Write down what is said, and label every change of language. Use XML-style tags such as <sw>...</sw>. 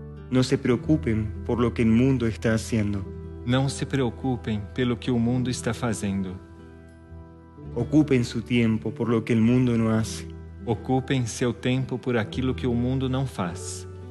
<es>No se preocupen por lo que el mundo está haciendo.</es> <pt>Não se preocupem pelo que o mundo está fazendo.</pt> <es>Ocupen su tiempo por lo que el mundo no hace.</es> <pt>Ocupem seu tempo por aquilo que o mundo não faz.</pt>